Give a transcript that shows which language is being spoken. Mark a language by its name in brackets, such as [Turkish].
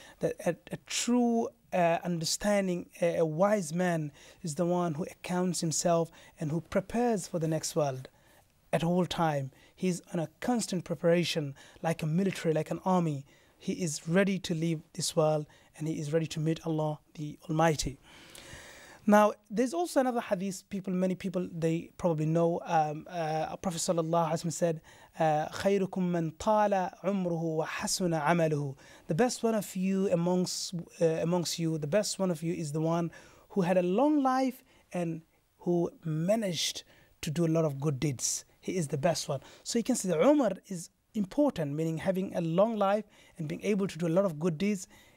[English] That a true understanding, a wise man is the one who accounts himself and who prepares for the next world. At all time, he's on a constant preparation, like a military, like an army. He is ready to leave this world, and he is ready to meet Allah, the Almighty. Now, there's also another hadith. Many people, they probably know. Prophet sallallahu alaihi wasallam said, [Arabic] "خيركم من طال عمره وحسن عمله." [English] The best one of you amongst you, the best one of you is the one who had a long life and who managed to do a lot of good deeds. He is the best one. So you can see that Umar is important, meaning having a long life and being able to do a lot of good deeds.